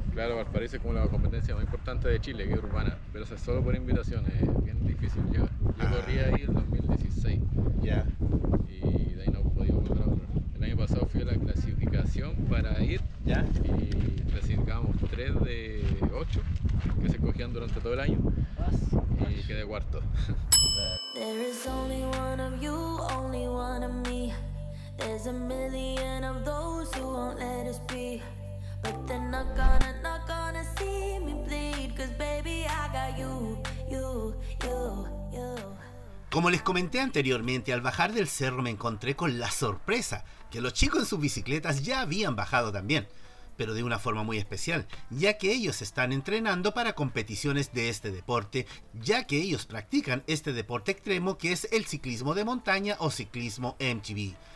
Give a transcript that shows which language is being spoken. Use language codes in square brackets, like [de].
[es] Claro, Valparaíso es como la competencia más importante de Chile, que es urbana, pero o sea, solo por invitaciones, es bien difícil llegar. Yo corrí ahí en 2016. Ya. Y de ahí no he podido volver a correr. El año pasado fui a la clasificación para ir. Ya. Y clasificamos 3 de 8, que se cogían durante todo el año. Y quedé cuarto. [en] There is only one of you, only one of me. There's a million of those who won't let us be. But they're not gonna see me bleed. Cause baby, I got you, you, you, you. [es] Como les comenté anteriormente, al bajar del cerro me encontré con la sorpresa que los chicos en sus bicicletas ya habían bajado también. pero de una forma muy especial, ya que ellos están entrenando para competiciones de este deporte, ya que ellos practican este deporte extremo que es el ciclismo de montaña o ciclismo MTB.